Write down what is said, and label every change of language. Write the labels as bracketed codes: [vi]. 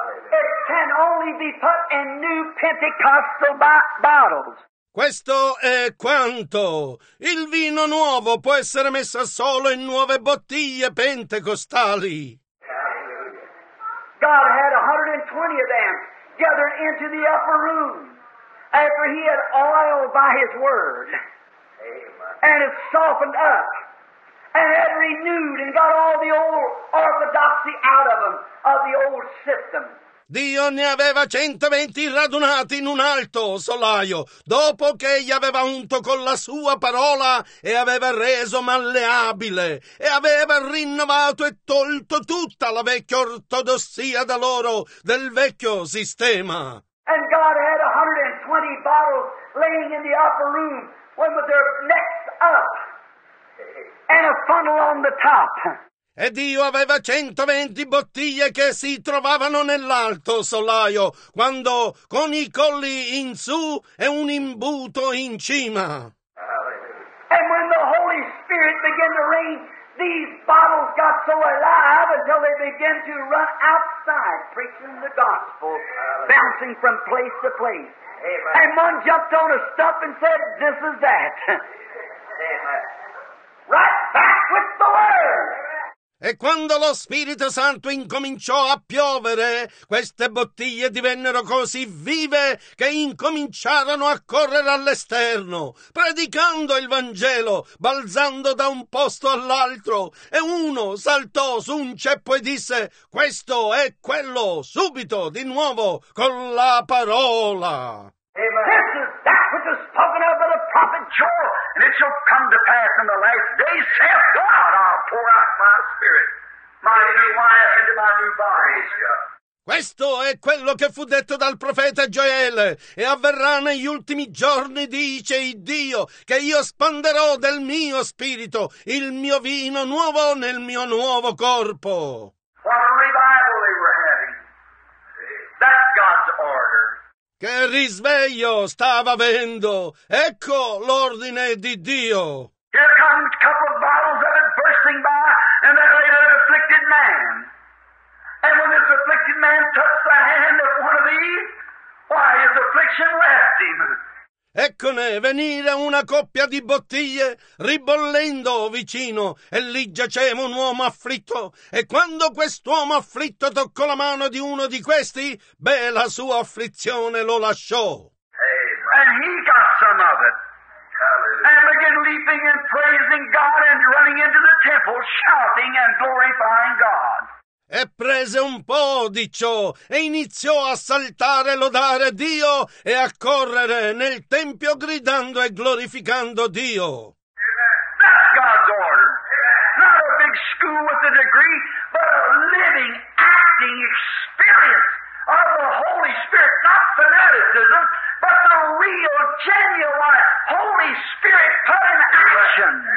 [en] It can only be put in new Pentecostal bottles. [it] Questo è quanto. Il vino nuovo può essere messo solo in nuove bottiglie pentecostali. [en] God had 120 of them gathered into the upper room after he had oiled by his word. Amen. And it softened up and had renewed and got all the old orthodoxy out of them, of the old system. [it] Dio ne aveva 120 radunati in un alto solaio, dopo che egli aveva unto con la sua parola e aveva reso malleabile, e aveva rinnovato e tolto tutta la vecchia ortodossia da loro, del vecchio sistema. [en] And God had 120 bottles laying in the upper room, one with their necks up, and a funnel on the top. [it] E Dio aveva 120 bottiglie che si trovavano nell'alto solaio, quando con i colli in su e un imbuto in cima. [en] And when the Holy Spirit began to rain, these bottles got so alive until they began to run outside preaching the gospel, bouncing from place to place. Amen. And one jumped on a stump and said, "This is that." Amen. Right back with the word. [it] E quando lo Spirito Santo incominciò a piovere, queste bottiglie divennero così vive che incominciarono a correre all'esterno, predicando il Vangelo, balzando da un posto all'altro, e uno saltò su un ceppo e disse: "Questo è quello", subito, di nuovo, con la parola. [en] Amen. This is that which is spoken of by the prophet Joel, and it shall come to pass in the last days, saith God, I'll pour out my spirit, my new wine into my new body. [it] Questo è quello che fu detto dal profeta Gioele, e avverrà negli ultimi giorni, dice il Dio, che io spanderò del mio spirito il mio vino nuovo nel mio nuovo corpo. [en] What a revival they were having. That's God's order. [it] Che risveglio stava avendo! Ecco l'ordine di Dio! [en] Here come a couple of bottles of it bursting by, and there laid an afflicted man. And when this afflicted man touched the hand of one of these, why, his affliction left him. [it] Eccone venire una coppia di bottiglie ribollendo vicino, e lì giaceva un uomo afflitto, e quando quest'uomo afflitto toccò la mano di uno di questi, beh, la sua afflizione lo lasciò. [en] And he got some of it. And began leaping and praising God and running into the temple, shouting and glorifying God. [it] E prese un po' di ciò, e iniziò a saltare, lodare Dio, e a correre nel tempio gridando e glorificando Dio. [en] That's God's order. Not a big school with a degree, but a living, acting experience of the Holy Spirit. Not fanaticism, but the real, genuine Holy Spirit put in action.